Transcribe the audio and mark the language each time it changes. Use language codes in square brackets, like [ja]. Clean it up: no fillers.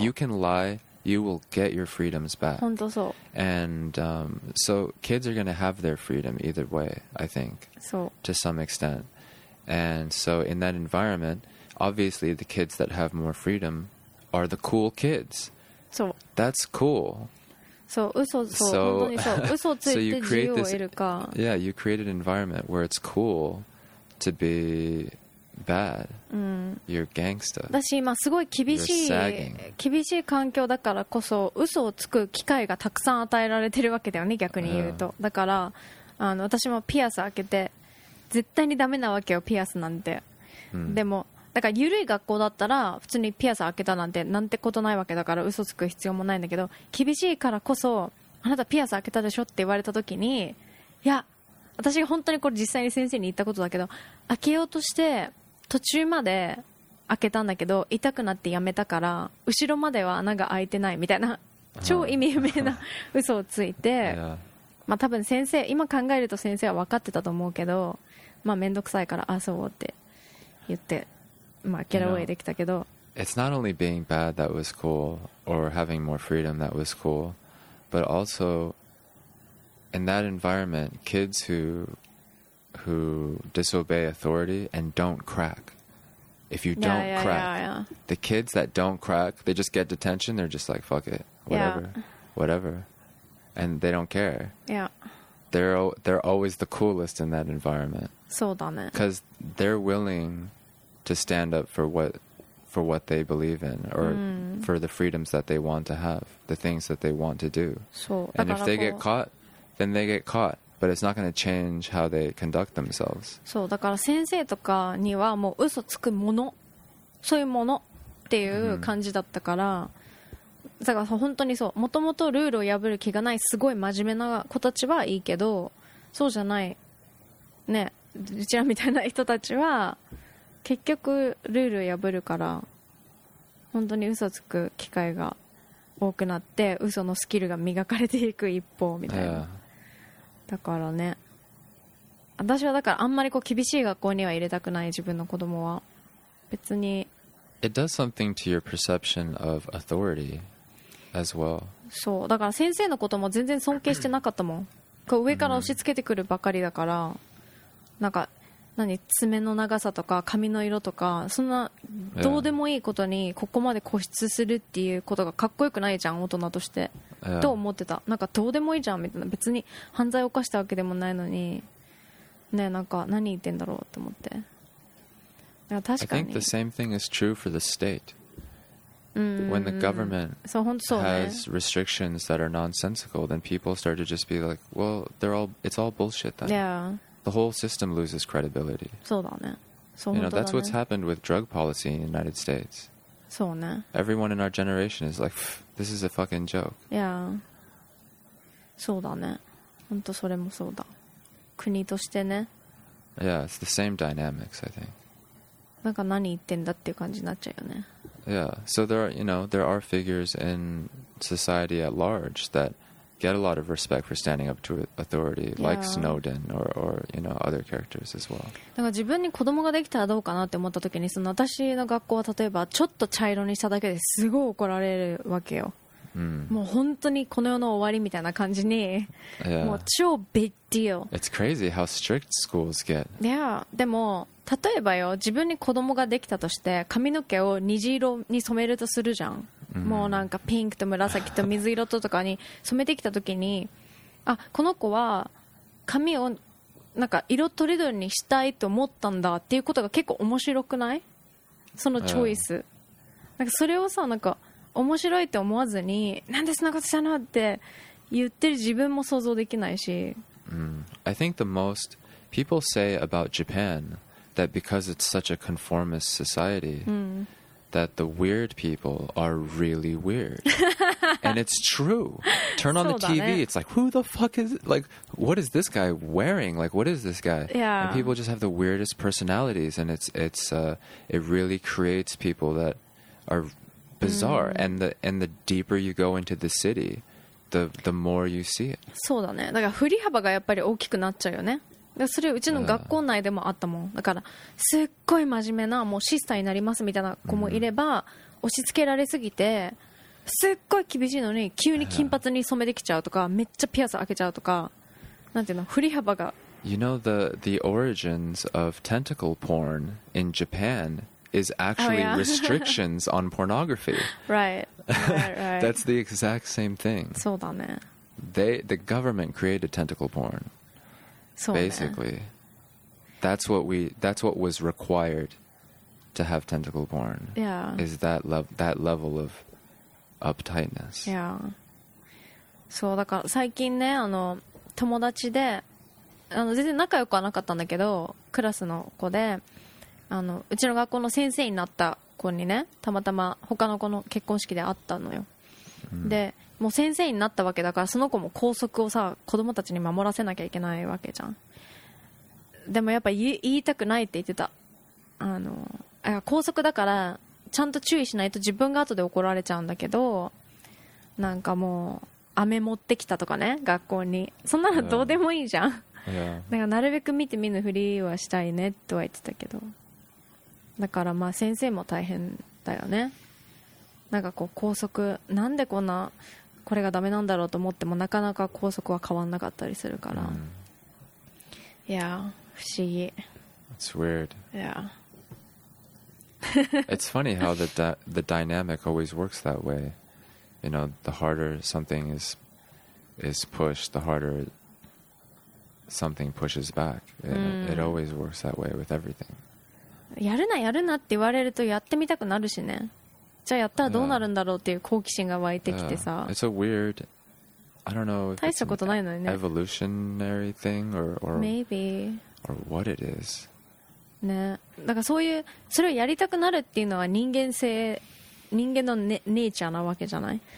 [en] If you can lie, you will get your freedoms back. [ja] 本当そう。 [en] And, so kids are going to have their freedom either way, I think. [ja] そう。 [en] To some extent. And so in that environment, obviously the kids that have more freedom are the cool kids. So that's cool. [ja] So, 嘘、そう、 [en] so, [ja] 本当にそう。嘘ついて自由を得るか。 [en] Yeah, you create an environment where it's cool to be bad.、 [ja] うん、 [en] you're gangster. [ja] だし今すごい厳しい環境だからこそ、嘘をつく機会がたくさん与えられてるわけだよね、逆に言うと。だから、あの、私もピアス開けて、絶対にダメなわけよ、ピアスなんて、うん、でもだから緩い学校だったら普通にピアス開けたなんてなんてことないわけだから、嘘つく必要もないんだけど、厳しいからこそ、あなたピアス開けたでしょって言われた時に、いや私が本当にこれ実際に先生に言ったことだけど、開けようとして途中まで開けたんだけど痛くなってやめたから、後ろまでは穴が開いてないみたいな超意味不明な嘘をついて、まあ多分先生、今考えると先生は分かってたと思うけど、まあ、めんどくさいから遊ぼうって言って、まあ、 [en] get away [ja] できたけど。 [en] It's not only being bad that was cool, or having more freedom that was cool, but also in that environment, kids who disobey authority and don't crack. If you don't crack, the kids that don't crack, they just get detention, they're just like, fuck it, whatever, whatever. And they don't care. Yeah. They're always the coolest in that environment. [ja] そうだね。 [en] Because they're willing to stand up for what... for what they believe in or for the freedoms that they want to have, the things that they want to do. [ja] そう。 [en] And if they get caught, then they get caught. But it's not going to change how they conduct themselves. [ja] そう。 だから先生とかにはもう嘘つくもの、そういうものっていう感じだったから、だから本当にそう、もともとルールを破る気がないすごい真面目な子たちはいいけど、そうじゃないね、うちらみたいな人たちは結局ルール破るから本当に嘘つく機会が多くなって嘘のスキルが磨かれていく一方みたいな、だからね、私はだからあんまりこう厳しい学校には入れたくない、自分の子供は別に。 [en] It does something to your perception of authority as well. [ja] そう、だから先生のことも全然尊敬してなかったもん、こう上から押し付けてくるばかりだから、なんか何、爪の長さとか髪の色とかそんなどうでもいいことにここまで固執するっていうことがかっこよくないじゃん、大人として、と思ってた。なんかどうでもいいじゃんみたいな、別に犯罪を犯したわけでもないのにね、なんか何言ってんだろうと思って。確かに。 [en] I think the same thing is true for the state. When the government has restrictions that are nonsensical, then people start to just be like, well, it's all bullshit then. Yeah. The whole system loses credibility. [ja] そうだね。 [en] You know, that's what's happened with drug policy in the United States. [ja] そうね。 [en] Everyone in our generation is like, this is a fucking joke. Yeah. [ja] そうだね。本当それもそうだ。国としてね。 [en] Yeah, it's the same dynamics, I think. [ja] なんか何言ってんだっていう感じになっちゃうよね。 [en] Yeah, so there are figures in society at large that... get a lot of respect for standing up to authority, like Snowden or you know, other characters as well. [ja] だから自分に子供ができたらどうかなって思った時に、その私の学校は例えばちょっと茶色にしただけですごい怒られるわけよ。もう本当にこの世の終わりみたいな感じに、もう超ビッグディール。 [en] It's crazy how strict schools get. Yeah, [ja] でも例えばよ、自分に子供ができたとして髪の毛を虹色に染めるとするじゃん。もうなんかピンクと紫と水色とかに染めてきた時に、あ、この子は髪をなんか色とりどりにしたいと思ったんだっていうことが結構面白くない？そのチョイス、なんかそれをさ、なんか面白いって思わずに、なんでそんなことしたのって言ってる自分も想像できないし、 [en] I think the most people say about Japan that because it's such a conformist society、that the weird people are really weird. And it's true. Turn on the TV, it's like, who the fuck is... Like, what is this guy wearing? Like, what is this guy? Yeah. And people just have the weirdest personalities, and it really creates people that are bizarre. And the deeper you go into the city, the more you see it. [ja] そうだね。だから振り幅がやっぱり大きくなっちゃうよね。それうちの学校内でもあったもん。だからすっごい真面目な、もうシスターになりますみたいな子もいれば、押し付けられすぎてすっごい厳しいのに急に金髪に染めてきちゃうとか、めっちゃピアス開けちゃうとか、なんていうの、振り幅が。 [en] You know the origins of tentacle porn in Japan is actually restrictions on pornography. Right. That's the exact same thing. [ja] そうだね。 [en] The government created tentacle porn [ja] ね、 [en] Basically, that's what was required to have tentacle porn. Yeah, is that level of uptightness. Yeah. [ja] そう、だから最近ね、あの友達で、あの全然仲良くはなかったんだけど、クラスの子で、あのうちの学校の先生になった子にね、たまたま他の子の結婚式で会ったのよ。で、もう先生になったわけだから、その子も校則をさ、子供たちに守らせなきゃいけないわけじゃん。でもやっぱ言いたくないって言ってた。あの、校則だからちゃんと注意しないと自分が後で怒られちゃうんだけど、なんかもう飴持ってきたとかね、学校に、そんなのどうでもいいじゃん。だからなるべく見て見ぬふりはしたいねとは言ってたけど、だからまあ先生も大変だよね。なんかこう校則なんでこんなこれがダメなんだろうと思ってもなかなか校則は変わんなかったりするから、いや不思議。 [en] It's weird. Yeah. It's funny how the dynamic always works that way. You know, the harder something is pushed, the harder something pushes back. It always works that way with everything. [ja] やるなやるなって言われるとやってみたくなるしね。じゃあやったらどうなるんだろうっていう好奇心が湧いてきてさ。 [en] It's a weird, I don't know. [ja] 大したことないのね。 [en] Evolutionary thing or maybe or what it is. [ja] ね、だからそういうそれをやりたくなるっていうのは人間性、人間のネイチャーなわけじゃない。